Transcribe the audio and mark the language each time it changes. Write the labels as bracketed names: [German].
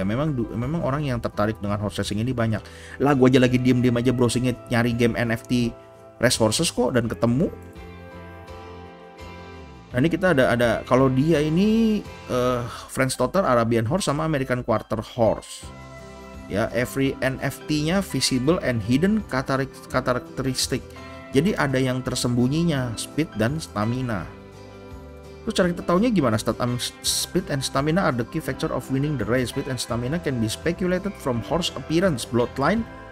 [Indonesian] Ya, memang orang yang tertarik dengan horse racing ini banyak. Lah, gua aja lagi diem-diem aja browsing-nya nyari game NFT race horses kok dan ketemu. Nah, ini kita ada kalau dia ini French Trotter, Arabian Horse sama American Quarter Horse. [English] Ya, every NFT-nya visible and hidden characteristic. [Indonesian] Jadi ada yang tersembunyinya, speed dan stamina. Terus cara kita taunya gimana? [English] Speed and stamina are the key factor of winning the race. Speed and stamina can be speculated from horse appearance, bloodline.